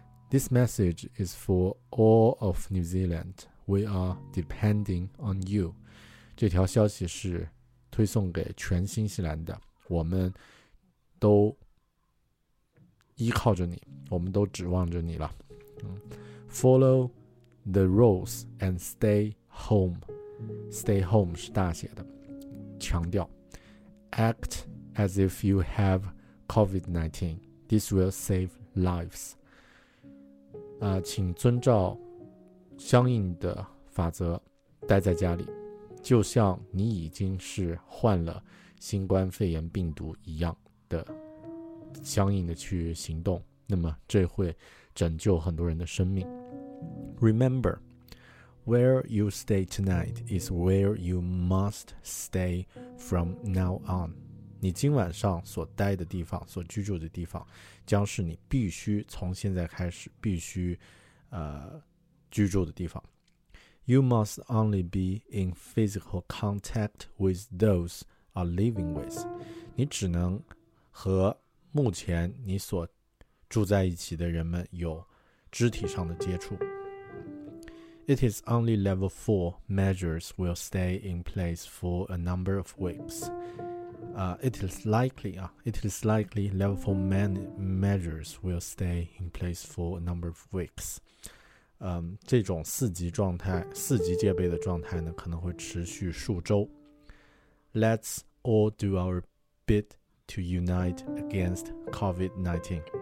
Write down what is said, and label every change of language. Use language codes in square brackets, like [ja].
[en] This message is for all of New Zealand. We are depending on you. [zh] 这条消息是推送给全新西兰的，我们都依靠着你，我们都指望着你了。 [en] Follow the rules and stay home. Stay home [zh] 是大写的，强调。 [en] Act as if you have COVID-19. This will save lives. [zh] 请遵照相应的法则，待在家里。就像你已经是患了新冠肺炎病毒一样的相应的去行动，那么这会拯救很多人的生命。 [en] Remember, where you stay tonight is where you must stay from now on. [zh] 你今晚上所待的地方，所居住的地方，将是你必须从现在开始必须居住的地方。 [en] you must only be in physical contact with those are living with. [zh] 你只能和目前你所住在一起的人们有肢体上的接触。 [en] It is only level 4 measures will stay in place for a number of weeks. It is likely level 4 measures will stay in place for a number of weeks. [zh] 这种四级戒备的状态呢可能会持续数周。 [en] Let's all do our bit to unite against COVID-19.